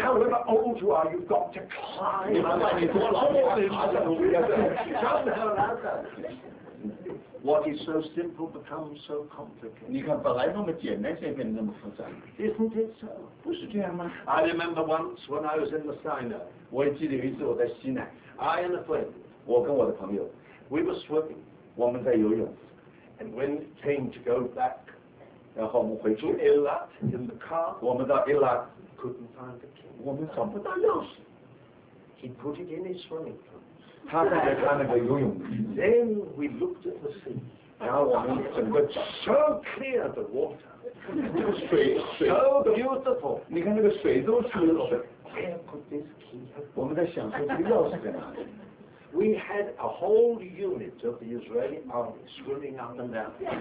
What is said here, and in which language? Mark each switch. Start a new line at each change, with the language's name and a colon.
English: however old you are, you've got to climb.
Chinese: 你看看你多老，你还爬上楼梯要上去。
English: Somehow or other. What is so simple becomes so complicated.
Chinese: 你看，本来那么简单，现在变得那么复杂。
English: Isn't it so?
Chinese: 不是这样吗
English: ？I remember once when I was in the Sinai.
Chinese: 我也记得有一次我在西南。
English: I and a friend.
Chinese: 我跟我的朋友。
English: We were swimming.
Chinese: 我们在游泳。
English: And when it came to go back,
Chinese: 然后我们回去。
English: To Eilat in the car.
Chinese: 我们到 Eilat.
English: Couldn't find the key.
Chinese: 我们找不到钥匙。
English: He put it in his swimming trunk.
Chinese: 他带着他那个游泳衣。
English: Then we looked at the sea.
Chinese: 然后我们整个
English: So clear the water.
Chinese: 这个水
English: So beautiful.
Chinese: 你看那个水都是水。
English: Where could this key have?
Chinese: 我们在想说这个钥匙在哪里。
English: We had a whole unit of the Israeli army swimming up and down.